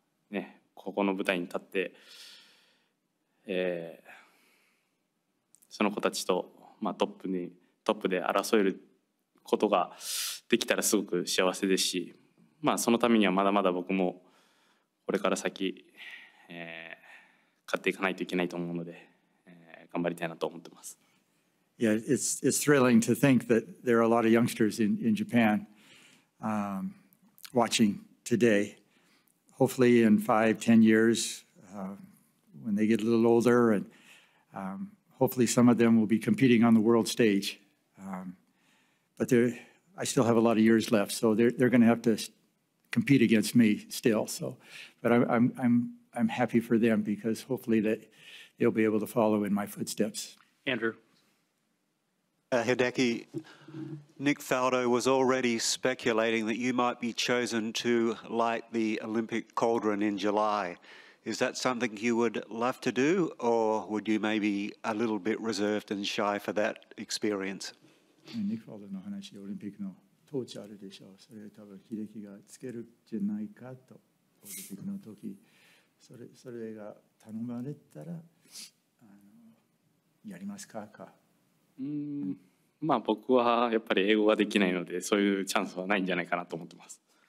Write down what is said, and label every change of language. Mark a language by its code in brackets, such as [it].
[ja] ねここの舞台に立って、その子たちと、まあ、トップで争えることができたらすごく幸せですし、まあ、そのためにはまだまだ僕もこれから先、勝っていかないといけないと思うので、頑張りたいなと思ってます。 [en] Yeah, it's thrilling to think that there are a lot of youngsters in Japan watching today. Hopefully in 5-10 years when they get a little older and hopefully some of them will be competing on the world stage. But I still have a lot of years left, so they're going to have to compete against me still. So, but I'm happy for them because hopefully that they'll be able to follow in my footsteps. Andrew. Hideki, Nick Faldo was already speculating that you might be chosen to light the Olympic cauldron in July. Is that something you would love to do, or would you maybe a little bit reserved and shy for that experience? [ja] ニクファルドの話でオリンピックのトーチあるでしょう。それは多分ヒデキがつけるじゃないかと、オリンピックの時、それが頼まれたらやりますか。まあ僕はやっぱり英語ができないのでそういうチャンスはないんじゃないかなと思ってます。